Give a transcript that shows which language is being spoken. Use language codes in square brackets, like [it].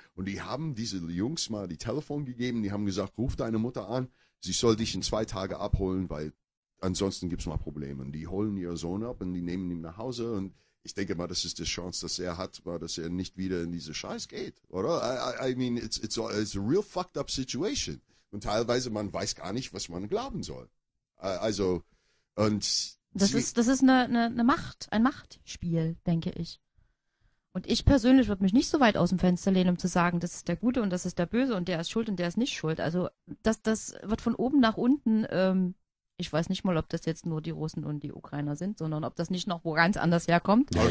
[de] Und die haben diese Jungs mal die Telefon gegeben, die haben gesagt, ruf deine Mutter an, sie soll dich in 2 Tagen abholen, weil ansonsten gibt es mal Probleme. Und die holen ihren Sohn ab und die nehmen ihn nach Hause und ich denke mal, das ist die Chance, dass er hat, dass er nicht wieder in diese Scheiß geht, oder? [en] I mean, it's a real fucked up situation. [de] Und teilweise, man weiß gar nicht, was man glauben soll. Also, und... Das ist eine Macht, ein Machtspiel, denke ich. Und ich persönlich würde mich nicht so weit aus dem Fenster lehnen, um zu sagen, das ist der Gute und das ist der Böse und der ist schuld und der ist nicht schuld. Also, das wird von oben nach unten... ich weiß nicht mal, ob das jetzt nur die Russen und die Ukrainer sind, sondern ob das nicht noch wo ganz anders herkommt.